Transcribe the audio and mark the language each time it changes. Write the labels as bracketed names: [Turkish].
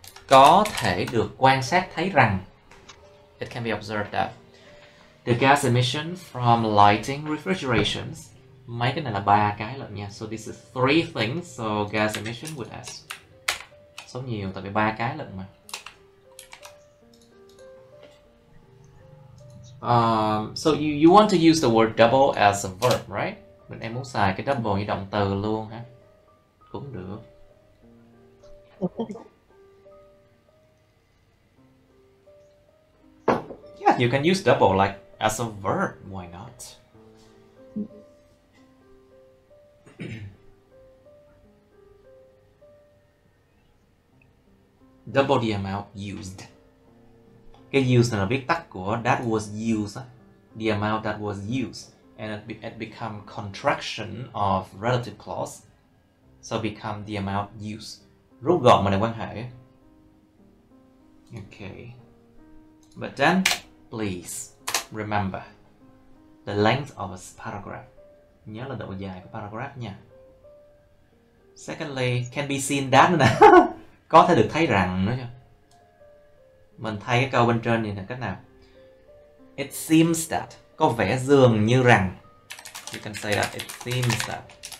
[Vietnamese] có thể được quan sát thấy rằng, [English] it can be observed that the gas emission from lighting refrigerations, [Vietnamese] mấy cái này là ba cái lận nha, [English] so this is three things, so gas emission would ask. [Vietnamese] Số nhiều tại vì ba cái lận mà. [English] So you want to use the word double as a verb, right? [Vietnamese] Mình em muốn xài cái double như động từ luôn hả? Cũng được. [English] Yeah, you can use double like as a verb, why not? Double the amount used. [Vietnamese] Cái used là viết tắt của [English] that was used, the amount that was used, and it become contraction of relative clause, so become the amount used. [Vietnamese] Rút gọn mà này quan hệ. [English] Okay, but then please remember the length of a paragraph. [Vietnamese] Nhớ là độ dài của paragraph nha. [English] Secondly, can be seen that [Vietnamese] có thể được thấy rằng nữa chứ. Mình thay cái câu bên trên thì là cách nào? [English] It seems that. [Vietnamese] Có vẻ dường như rằng. [English] You can say that it seems that.